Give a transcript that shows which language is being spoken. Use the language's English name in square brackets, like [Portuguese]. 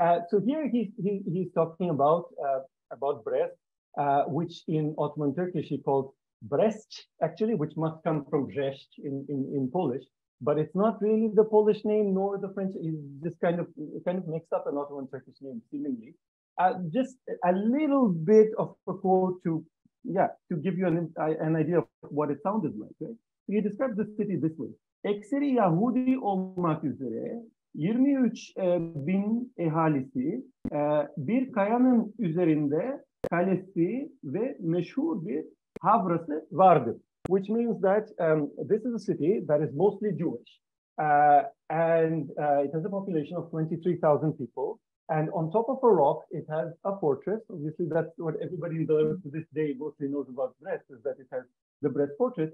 [English] So here he's talking about Brest, which in Ottoman Turkish he called Brest, actually, which must come from Rzeszcz in Polish, but it's not really the Polish name nor the French. It's just kind of mixed up an Ottoman Turkish name, seemingly. Just a little bit of a quote to give you an idea of what it sounded like, right? So he described the city this way. [Turkish] Ekseri Yahudi olmak üzere 23,000 ehalisi bir kayanın üzerinde kalesi ve meşhur bir havrası vardı. [English] Which means that this is a city that is mostly Jewish. And it has a population of 23,000 people. And on top of a rock, it has a fortress. Obviously, that's what everybody in Belarus to this day mostly knows about Brest, is that it has the Brest fortress.